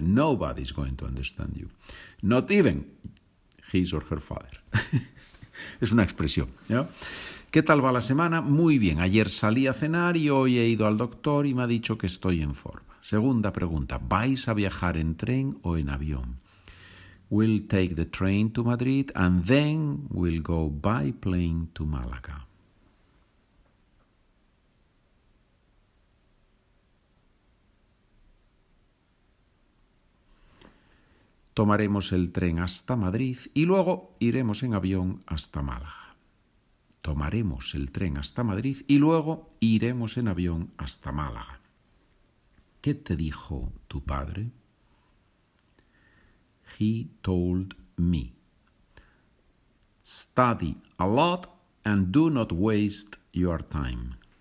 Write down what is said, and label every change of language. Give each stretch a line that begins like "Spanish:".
English: Nobody's going to understand you. Not even his or her father.
Spanish: Es una expresión, ¿no? ¿Qué tal va la semana? Muy bien. Ayer salí a cenar y hoy he ido al doctor y me ha dicho que estoy en forma. Segunda pregunta. ¿Vais a viajar en tren o en avión?
English: We'll take the train to Madrid and then we'll go by plane to Málaga.
Spanish: Tomaremos el tren hasta Madrid y luego iremos en avión hasta Málaga. Tomaremos el tren hasta Madrid y luego iremos en avión hasta Málaga. ¿Qué te dijo tu padre?
English: He told me, study a lot and do not waste your time.